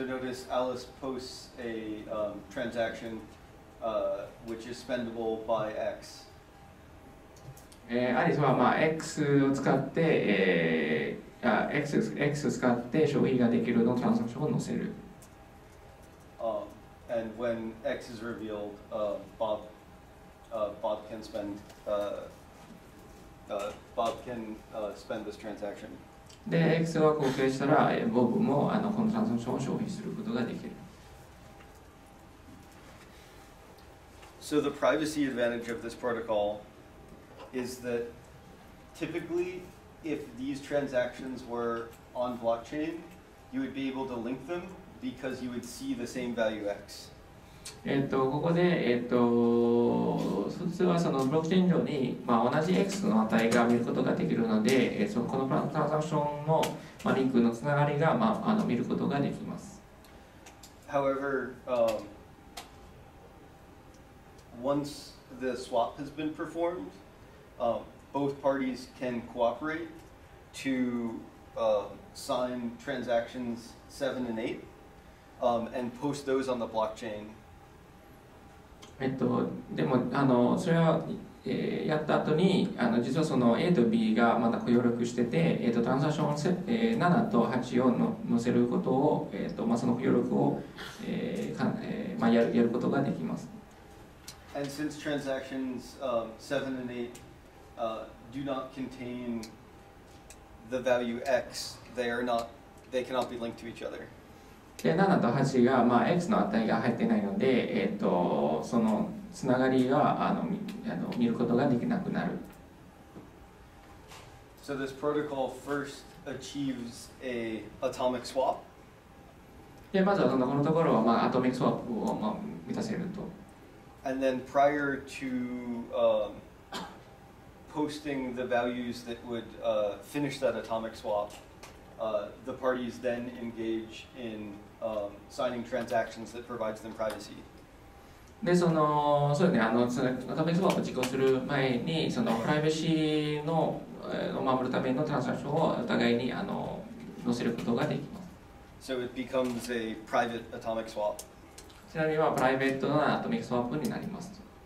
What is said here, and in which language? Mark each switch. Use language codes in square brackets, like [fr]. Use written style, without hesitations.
[en] So notice Alice posts a transaction which is spendable by X. [ja] アリスは、X を使って、X 使って消費ができるのトランザクションを載せる。 [en] And when X is revealed, Bob can spend this transaction. [ja] で、X が公開したら、ボブもこのトランザクションを消費することができる。 [en] So the privacy advantage of this protocol is that typically,If these transactions were on blockchain, you would be able to link them because you would see the same value X. [ja] ここで、普通はそのブロックチェーン上に、同じ X の値が見ることができるので、このトランザクションの、リンクのつながりが、見ることができます。 [en] However, once the swap has been performed, both parties can cooperate. To sign transactions 7 and 8 and post those on the blockchain. [ja] でもそれは、やった後に実はその A と B がまだ協力してて、トランザクション7と8を載せることを、その協力を、やることができます。 [en] And since transactions 7 and 8 do not containThe value x, they cannot be linked to each other. [ja] で、7と8が、x の値が入ってないので、そのつながりが見ることができなくなる。 [en] So this protocol first achieves a atomic swap. [ja] で、まずはこのところは、アトミックスワップを、満たせると。 [en] And then prior to, posting the values that would finish that atomic swap, the parties then engage in signing transactions that provides them privacy. [ja] で、その、そうですね、アトミックスワープを実行する前に、その、プライバシーの、守るためのトランザクションをお互いに載せることができます。 [en] So it becomes a private atomic swap. [ja] ちなみには、プライベートなアトミックスワープになります。